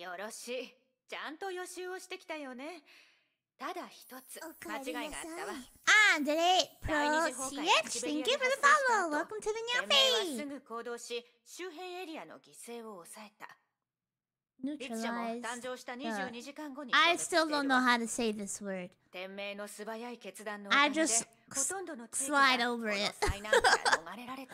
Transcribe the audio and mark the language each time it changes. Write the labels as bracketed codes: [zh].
[ja] よろしい、ちゃんと予習をしてきたよね。ただ一つ間違いがあったわ。 [en] Andre Pro CX, thank you for the follow. Welcome to the new phase. [ja] すぐ行動し、周辺エリアの犠牲を抑えた。 [en] Neutralized. [ja] 誕生した22時間後に。 [en] I still don't know how to say this word. [ja] 天命の素早い決断の上で、ほとんどの地域が災難から逃れられた。